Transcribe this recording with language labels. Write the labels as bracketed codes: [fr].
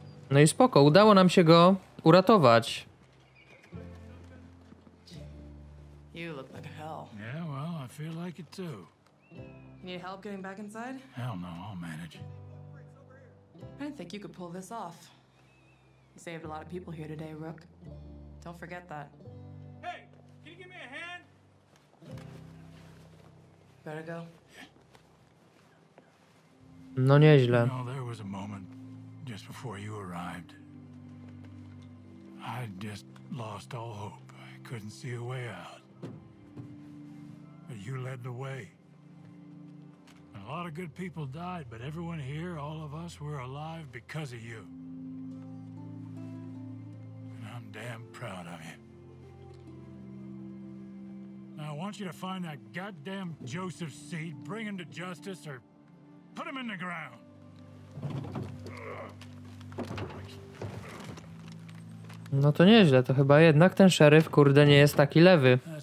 [pl] No i spoko, udało nam się go uratować. [en] You look like hell. Yeah, well, I feel like it too. Need help getting back inside? Hell no, I'll manage. I didn't think you could pull this off. You saved a lot of people here today, Rook. Don't forget that. Hey, can you give me a hand? Better go. [pl] No nieźle. [en] You know, there was a moment just before you arrived. I just lost all hope. I couldn't see a way out. But you led the way. And a lot of good people died, but everyone here, all of us, we're alive because of you. And I'm damn proud of you. Now I want you to find that goddamn Joseph Seed, bring him to justice, or put him in the ground. [pl] No to nieźle, to chyba jednak ten szeryf, kurde, nie jest taki lewy.